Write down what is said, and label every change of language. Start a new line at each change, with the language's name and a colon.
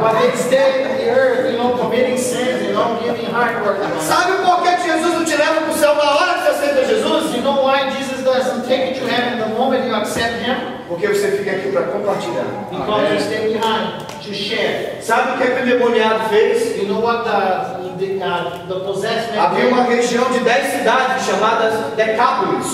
English: But they stay in the earth, you know, committing sins, you know, giving hard work.
Portuguese: Sabe por que Jesus não te leva pro céu na hora que você aceita Jesus?
English: You know why Jesus doesn't take you to heaven the moment you accept him?
Portuguese: Porque você fica aqui para compartilhar.
English: Because you stay behind to share.
Portuguese: Sabe o que aquele demoniado fez?
English: You know what the possessed man.
Portuguese: Havia uma região de 10 cidades chamadas Decápolis.